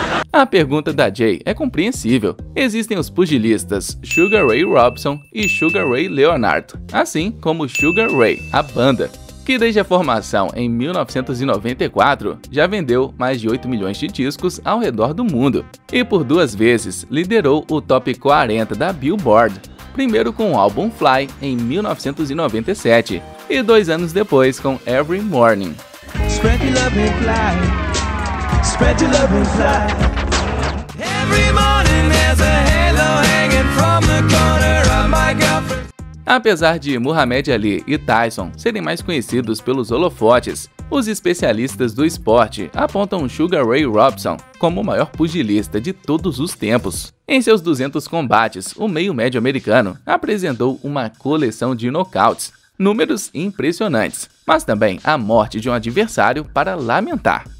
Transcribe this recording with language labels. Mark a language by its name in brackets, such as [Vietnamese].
[Portuguese] A pergunta da Jay é compreensível. Existem os pugilistas Sugar Ray Robson e Sugar Ray Leonard, assim como Sugar Ray, a banda, que desde a formação em 1994, já vendeu mais de 8 milhões de discos ao redor do mundo. E por duas vezes, liderou o top 40 da Billboard. Primeiro com o álbum Fly, em 1997. E dois anos depois com Every Morning. [English] Spread your love and fly. Spread your love and fly. Every morning there's a halo hanging from the corner of my girlfriend. [Portuguese] Apesar de Muhammad Ali e Tyson serem mais conhecidos pelos holofotes, os especialistas do esporte apontam Sugar Ray Robson como o maior pugilista de todos os tempos. Em seus 200 combates, o meio-médio americano apresentou uma coleção de nocautes, números impressionantes, mas também a morte de um adversário para lamentar.